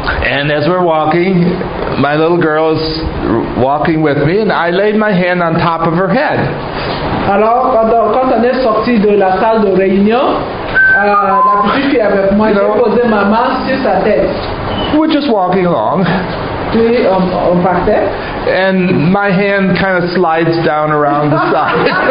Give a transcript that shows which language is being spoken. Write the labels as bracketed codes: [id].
[en] And as we're walking, my little girl is walking with me, and I laid my hand on top of her head. [fr] Alors, quand on est sorti de la salle de réunion, la petite fille avec moi, j'ai posé ma main sur sa tête. [en] We're just walking along. [fr] Puis on partait. [en] and my hand kind of slides down around the side.